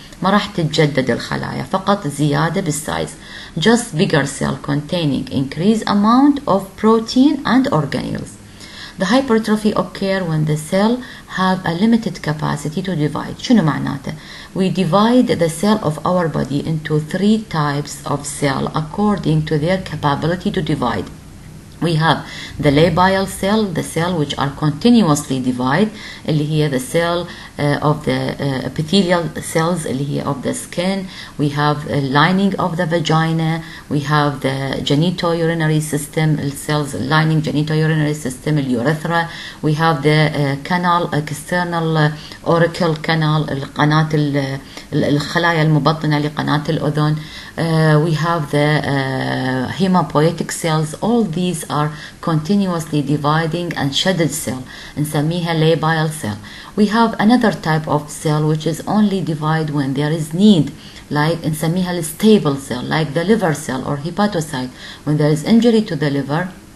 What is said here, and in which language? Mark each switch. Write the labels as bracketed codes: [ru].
[ar] ما راح تتجدد الخلايا, فقط زيادة بالسايز. [en] Just bigger cell containing increased amount of protein and organelles. The hypertrophy occur when the cell have a limited capacity to divide. [ar] شنو معناته؟ [en] We divide the cell of our body into three types of cell according to their capability to divide. We have the labile cell, the cell which are continuously divide, اللي هي the cell of the epithelial cells, اللي هي of the skin. We have a lining of the vagina. We have the genitourinary system, cells lining genitourinary system, urethra. We have the canal, external auricle canal, [ar] القناة الخلايا المبطنة لقناة الأذن. [en] We have the hematopoietic cells. All these are continuously dividing and shedded cell. نسميها labile cell. We have another type of cell which is only divide when there is need. Like نسميها stable cell, like the liver cell or hepatocyte. When there is injury to the liver,